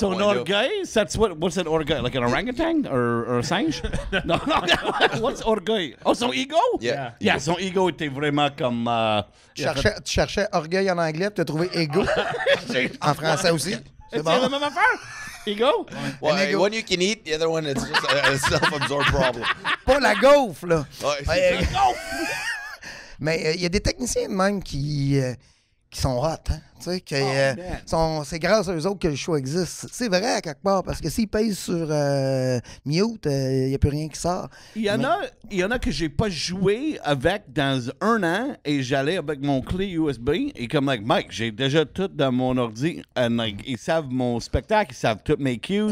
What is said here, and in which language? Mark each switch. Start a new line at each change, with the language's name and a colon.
French: point-là. Son orgueil?
English: What's an orgueil? Like an orangutan? Or a singe? No, no. What's orgueil?
French: Oh, son ego?
English: Yeah.
French: Son ego était vraiment comme... Tu cherchais orgueil en anglais, tu as trouvé ego en français aussi. C'est bon. La même affaire? Ego?
English: Well, ego. One you can eat, the other one is just a self-absorbed problem.
French: Pas la gaufre, là. Ouais, c'est la gaufre! Mais il y a des techniciens de même qui sont hot, hein? Tu sais, que c'est grâce à eux autres que le show existe. C'est vrai, à quelque part, parce que s'ils pèsent sur mute, il n'y a plus rien qui sort. Il y en a que j'ai pas joué avec dans un an, et j'allais avec mon clé USB, et comme, like, Mike, j'ai déjà tout dans mon ordi, and, like, ils savent mon spectacle, ils savent toutes mes cues.